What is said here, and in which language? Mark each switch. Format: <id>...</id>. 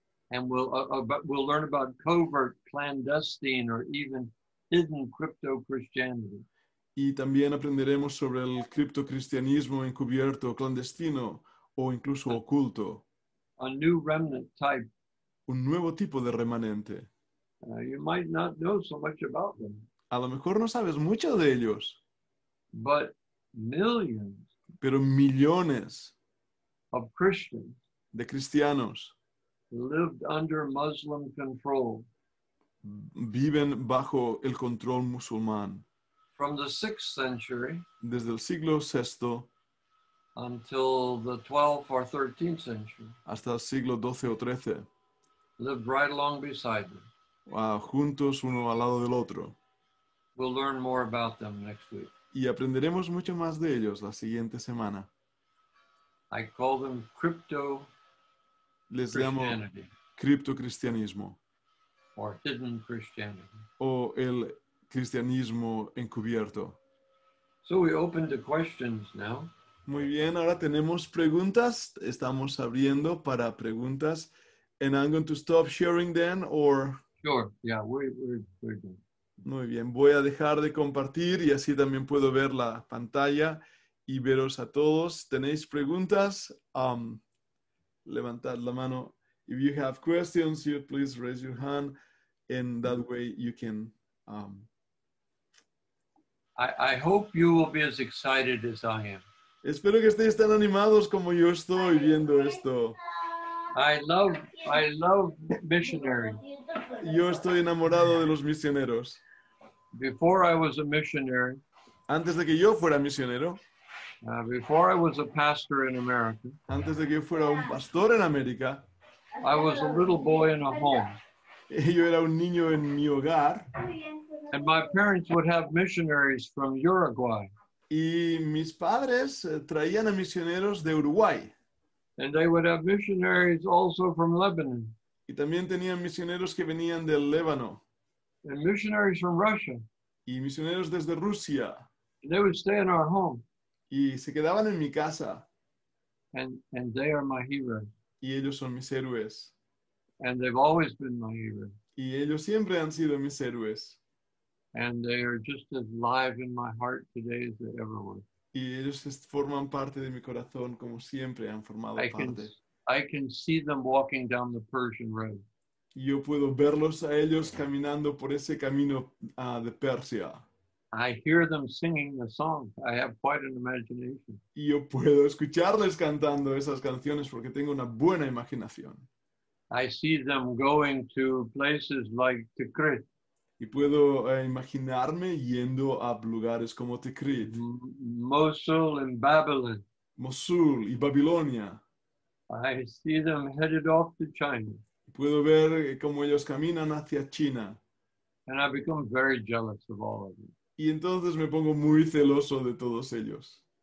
<en>And we'll learn about covert, clandestine, or even hidden crypto-Christianity.</en> <es>Y también aprenderemos sobre el cripto-cristianismo encubierto, clandestino, o incluso oculto.</es> <en>A new remnant type.</en> <es>Un nuevo tipo de remanente.</es> <en>You might not know so much about them.</en> <es>A lo mejor no sabes mucho de ellos.</es> <en>But millions.</en> <es>Pero millones.</es> <en>Of Christians.</en> <es>De cristianos.</es> <en>Lived under Muslim control.</en> <es>Viven bajo el control musulmán.</es> <en>From the 6th century.</en> <es>Desde el siglo VI.</es> <en>Until the 12th or 13th century.</en> <es>Hasta el siglo XII o XIII.</es> <en>Lived right along beside them.</en> <es>Juntos uno al lado del otro.</es> <en>We'll learn more about them next week.</en> <es>Y aprenderemos mucho más de ellos la siguiente semana.</es> <en>I call them crypto.</en> <es>Les llamo cripto-cristianismo.</es> <en>Or hidden Christianity.</en> <es>O el cristianismo encubierto.</es> <en>So we open to questions now.</en> <es>Muy bien, ahora tenemos preguntas. Estamos abriendo para preguntas.</es> <en>And I'm going to stop sharing then, or... Sure, yeah, we're good.</en> <es>Muy bien, voy a dejar de compartir y así también puedo ver la pantalla y veros a todos. ¿Tenéis preguntas? Levantad la mano</es> <en>If you have questions here, please raise your hand, and that way you can. I hope you will be as excited as I am.</en> <es>Espero que estéis tan animados como yo estoy viendo esto.</es> <en>I love missionaries.</en> <es>Yo estoy enamorado de los misioneros.</es> <en>Before I was a missionary.</en> <es>Antes de que yo fuera misionero.</es> <en>Before I was a pastor in America.</en> <es>Antes de que yo fuera un pastor en América.</es> <en>I was a little boy in a home.</en> <es>Yo era un niño en mi hogar.</es> <en>And my parents would have missionaries from Uruguay.</en> <es>Y mis padres traían a misioneros de Uruguay.</es> <en>And they would have missionaries also from Lebanon.</en> <es>Y también tenían misioneros que venían del Líbano.</es> <en>And missionaries from Russia.</en> <es>Y misioneros desde Rusia.</es> <en>And they would stay in our home.</en> <es>Y se quedaban en mi casa.</es> <en>And they are my heroes.</en> <es>Y ellos son mis héroes.</es> <en>And they've always been my heroes.</en> <es>Y ellos siempre han sido mis héroes.</es> <en>And they are just as live in my heart today as they ever were.</en> <es>Y ellos forman parte de mi corazón como siempre han formado parte.</es> <en>I can see them walking down the Persian road.</en> <es>Yo puedo verlos a ellos caminando por ese camino de Persia.</es> <en>I hear them singing the songs. I have quite an imagination.</en> <es>Y yo puedo escucharles cantando esas canciones porque tengo una buena imaginación.</es> <en>I see them going to places like Tikrit.</en> <es>Y puedo imaginarme yendo a lugares como Tikrit.</es> <en>Mosul and Babylon.</en> <es>Mosul y Babilonia.</es> <en>I see them headed off to China.</en> <es>Puedo ver cómo ellos caminan hacia China.</es> <en>And I become very jealous of all of them.</en> <es>Y entonces me pongo muy celoso de todos ellos.</es>